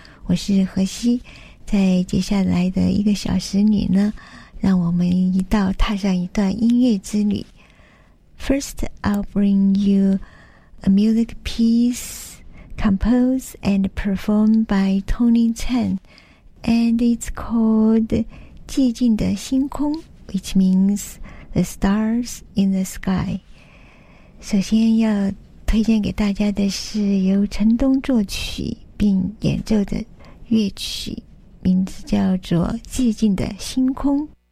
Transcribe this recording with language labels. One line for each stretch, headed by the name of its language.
Chinese: 我是何西，在接下来的一个小时里呢，让我们一道踏上一段音乐之旅。
English: First, I'll bring you a music piece composed and performed by Tony Chen, and it's called
Chinese: 寂静的星空
English: which means The Stars in the Sky.
Chinese: 首先要推荐给大家的是由陈东作曲并演奏的乐曲，名字叫做《寂静的星空》。